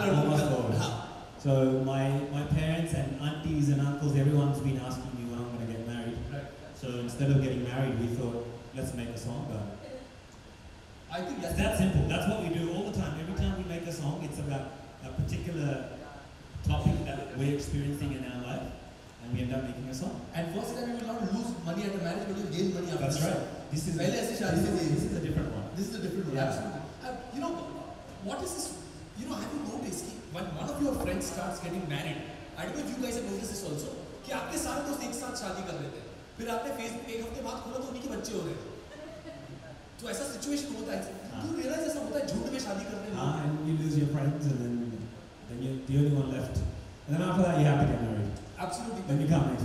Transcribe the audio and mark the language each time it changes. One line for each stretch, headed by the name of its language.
English: Almost all so my parents and aunties and uncles everyone has been asking me when I am gonna get married so instead of getting married we thought let's make a song about it I think that's that simple that's what we do all the time every time we make a song it's about a particular topic that we are experiencing in our life And we end up making a song. And first time, you will not lose money at the marriage, but you gain money after. That's right. This is well, this is a different one. This is a different one. Yeah. Absolutely. You know, what is this? You know, have you noticed when one of your friends starts getting married? I don't know if you guys have noticed this also.
Hindi: कि आपके सारे दोस्त एक साथ शादी कर लेते हैं, फिर आपने फेसबुक एक हफ्ते बाद खोला तो उन्हीं के बच्चे हो रहे हैं. तो ऐसा सिचुएशन होता है.
English: You realize
Hindi: ऐसा होता है झूठ में शादी करने.
English: Ah, and you lose your friends, and then you're the only one left. And then after that, you have to get married.